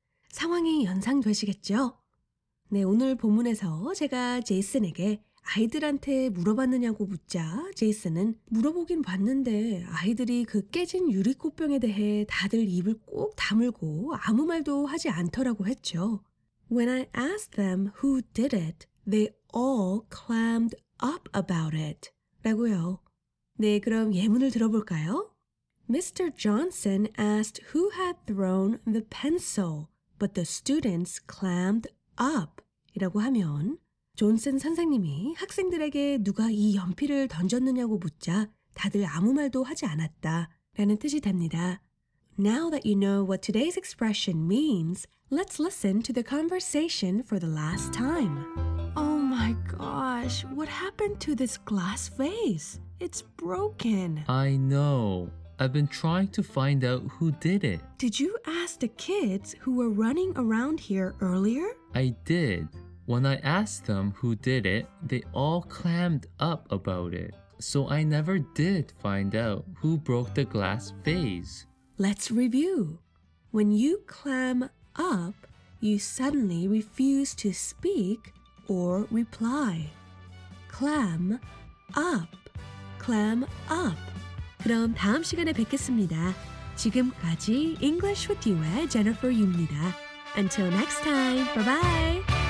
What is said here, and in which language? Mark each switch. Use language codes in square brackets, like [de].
[ko] 상황이 연상되시겠죠? 네, 오늘 본문에서 제가 제이슨에게 아이들한테 물어봤느냐고 묻자 제이슨은 물어보긴 봤는데 아이들이 그 깨진 유리꽃병에 대해 다들 입을 꼭 다물고 아무 말도 하지 않더라고 했죠. [en] When I asked them who did it, they all clammed up about it. [ko] 라고요. 네, 그럼 예문을 들어볼까요? [en] Mr. Johnson asked who had thrown the pencil, but the students clammed up. [ko] 이라고 하면 존슨 선생님이 학생들에게 누가 이 연필을 던졌느냐고 묻자 다들 아무 말도 하지 않았다 라는 뜻이 됩니다. [en] Now that you know what today's expression means, let's listen to the conversation for the last time. Oh my gosh, what happened to this glass vase? It's broken. I know. I've been trying to find out who did it. Did you ask the kids who were running around here earlier? I did. When I asked them who did it, they all clammed up about it. So I never did find out who broke the glass vase. Let's review. When you clam up, you suddenly refuse to speak or reply. Clam up. Clam up. [ko] 그럼 다음 시간에 뵙겠습니다. 지금까지 English with You의 Jennifer 유입니다. [en] Until next time, bye-bye.